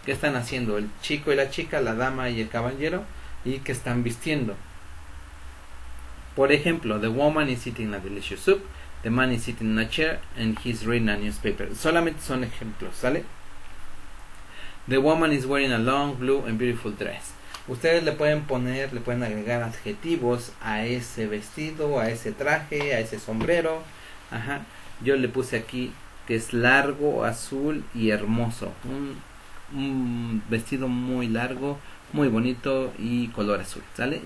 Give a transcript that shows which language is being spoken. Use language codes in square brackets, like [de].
[es] ¿Qué están haciendo el chico y la chica, la dama y el caballero? ¿Y qué están vistiendo? Por ejemplo, [en] the woman is eating a delicious soup, the man is sitting in a chair and he's reading a newspaper. [es] Solamente son ejemplos, ¿sale? [en] The woman is wearing a long, blue and beautiful dress. [es] Ustedes le pueden agregar adjetivos a ese vestido, a ese traje, a ese sombrero. Ajá. Yo le puse aquí que es largo, azul y hermoso. Un vestido muy largo, muy bonito y color azul, ¿sale?